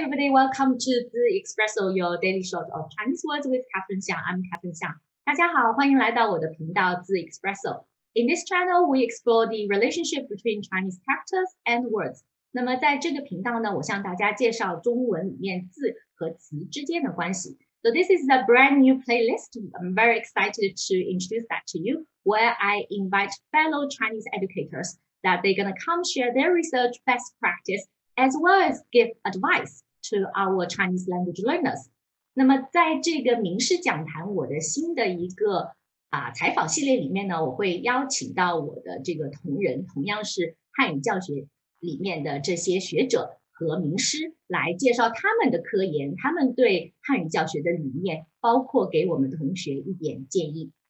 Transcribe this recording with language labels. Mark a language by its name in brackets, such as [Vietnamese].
[English] welcome to the espresso, your daily shot of Chinese words with Catherine Xiang. I'm Catherine Xiang. [Chinese] 大家好，欢迎来到我的频道 [English] the espresso. In this channel, we explore the relationship between Chinese characters and words. [Chinese] 那么在这个频道呢，我向大家介绍中文里面字和词之间的关系。 [English] So this is a brand new playlist. I'm very excited to introduce that to you, where I invite fellow Chinese educators that they're going to come share their research best practice, as well as give advice to our Chinese language learners. [Chinese] 那么在这个名师讲坛我的新的一个、采访系列里面呢，我会邀请到我的这个同仁，同样是汉语教学里面的这些学者和名师，来介绍他们的科研，他们对汉语教学的理念，包括给我们同学一点建议。